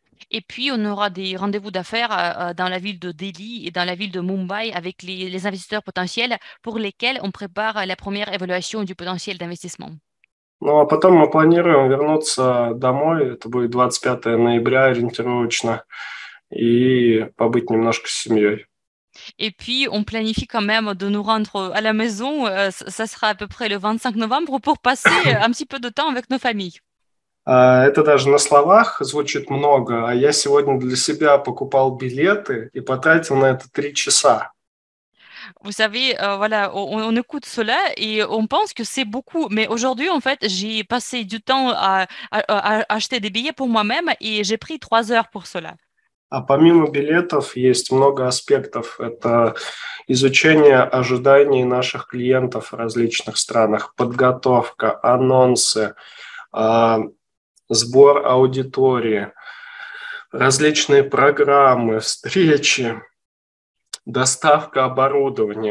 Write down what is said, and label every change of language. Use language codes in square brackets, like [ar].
[fr] Et puis on aura des rendez-vous d'affaires dans la ville de Delhi et dans la ville de Mumbai avec les investisseurs potentiels pour lesquels on prépare la première évaluation du potentiel d'investissement. [ru] Ну а потом мы планируем вернуться домой, это будет 25 ноября ориентировочно, и побыть немножко с семьей. [fr] Et puis on planifie quand même de nous rendre à la maison, ça sera à peu près le 25 novembre pour passer un petit peu de temps avec nos familles. [ru] Это даже на словах звучит много, а я сегодня для себя покупал билеты и потратил на это 3 часа. [fr] Vous savez, voilà, on écoute cela et on pense que c'est beaucoup, mais aujourd'hui, en fait, j'ai passé du temps à acheter des billets pour moi-même et j'ai pris 3 heures pour cela. [ru] А помимо билетов есть много аспектов. Это изучение ожиданий наших клиентов в различных странах, подготовка, анонсы, сбор аудитории, различные программы, встречи, доставка оборудования.